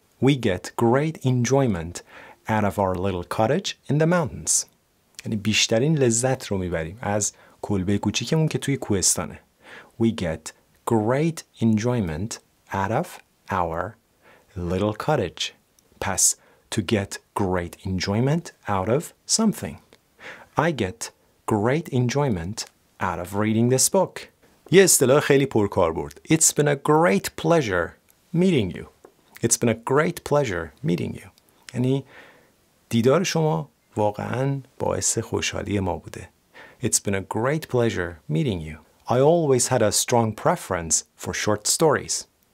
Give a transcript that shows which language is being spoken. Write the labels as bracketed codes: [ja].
[en] We get great enjoyment out of our little cottage in the mountains. [fa] یعنی بیشترین لذت رو میبریم از کلبه کوچیکمون که توی کوهستانه. [en] We get great enjoyment out of our little cottage. پس to get great enjoyment out of something. I get great enjoyment out of reading this book. [fa] یه اصطلاح خیلی پرکاربرد. [en] It's been a great pleasure meeting you. It's been a great pleasure meeting you. [fa] یعنی دیدار شما واقعا باعث خوشحالی ما بوده. [en] It's been a great pleasure meeting you. I always had a strong preference for short stories.